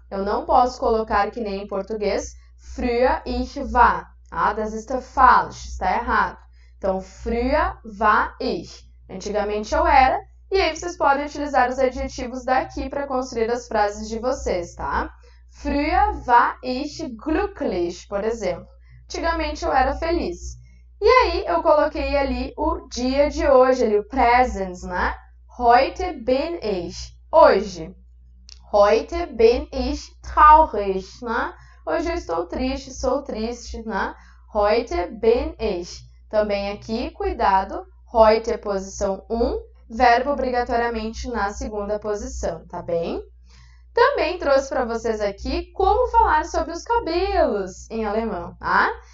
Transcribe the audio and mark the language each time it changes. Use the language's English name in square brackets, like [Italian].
[Portuguese] Eu não posso colocar que nem em português, [German] früher ich war. [Portuguese] Ah, [German] das ist falsch, [Portuguese] está errado. Então, [German] früher war ich. [Portuguese] Antigamente eu era, E aí vocês podem utilizar os adjetivos daqui para construir as frases de vocês, tá? [German] Früher war ich glücklich, [Portuguese] por exemplo. Antigamente eu era feliz. E aí eu coloquei ali o dia de hoje, ali o present, né? [German] Heute bin ich. [Portuguese] Hoje. [German] Heute bin ich traurig, né? [Portuguese] Hoje eu estou triste, sou triste, né? [German] Heute bin ich. [Portuguese] Também aqui, cuidado, heute é posição 1, verbo obrigatoriamente na segunda posição, tá bem? Também trouxe para vocês aqui como falar sobre os cabelos em alemão, tá?